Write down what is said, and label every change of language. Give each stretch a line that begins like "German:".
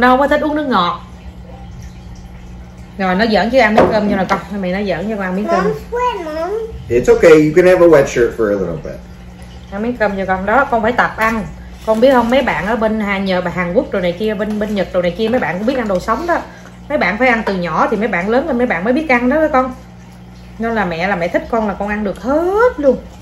Vietnamese: No, mới thích uống nước ngọt. Rồi nó giỡn chứ ăn miếng cơm cho nó con. Mày nó giỡn cho con ăn miếng cơm.
English: It's okay, you can have a wet shirt for a little bit.
Vietnamese: Ăn miếng cơm cho con đó, con phải tập ăn. Con biết không, mấy bạn ở bên nhờ bà Hàn Quốc rồi này kia, bên Nhật rồi này kia, mấy bạn cũng biết ăn đồ sống đó. Mấy bạn phải ăn từ nhỏ thì mấy bạn lớn rồi mấy bạn mới biết ăn đó các con. Nên là mẹ thích con là con ăn được hết luôn.